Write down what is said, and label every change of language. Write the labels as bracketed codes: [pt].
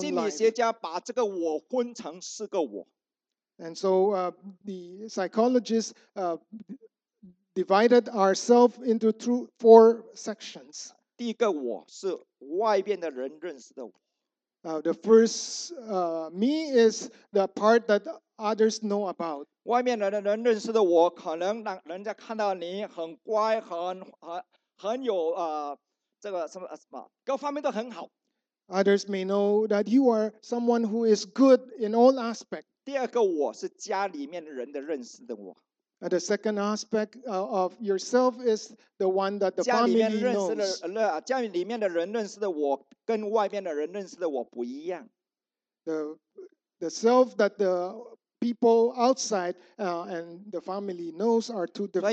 [zh] 心理学家把这个我分成四个我。 [en] And so, the psychologist, divided ourselves into four sections. [zh] 第一个我是外边的人认识的我。 [en] The first me is the part that others know about. [zh] 外面的人认识的我，可能让人家看到你很乖，很有这个什么，各方面都很好。 [en] Others may know that you are someone who is good in all aspects. [zh] 第二个我是家里面人的认识的我。 [en] The second aspect of yourself is the one that the family knows. The self that the people outside and the family knows are two different things.